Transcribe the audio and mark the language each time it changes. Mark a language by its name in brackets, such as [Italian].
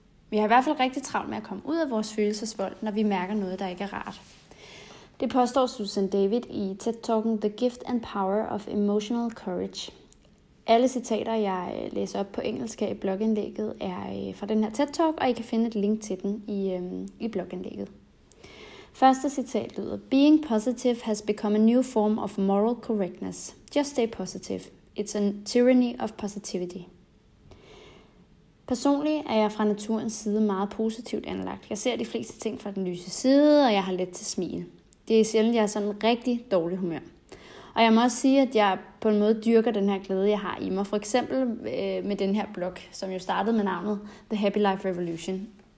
[Danish] Vi har i hvert fald rigtig travlt med at komme ud af vores følelsesvold, når vi mærker noget, der ikke er rart. Det påstår Susan David i TED-talken The Gift and Power of Emotional Courage. Alle citater, jeg læser op på engelsk i blogindlægget, er fra den her TED-talk, og I kan finde et link til den i blogindlægget. Første citat lyder, [English] Being positive has become a new form of moral correctness. Just stay positive. It's a tyranny of positivity. [Danish] Personligt er jeg fra naturens side meget positivt anlagt. Jeg ser de fleste ting fra den lyse side, og jeg har let til smil. Det er sjældent, jeg er sådan rigtig dårlig humør. Og jeg må også sige, at jeg på en måde dyrker den her glæde, jeg har i mig. For eksempel med den her blog, som jo startede med navnet The Happy Life Revolution.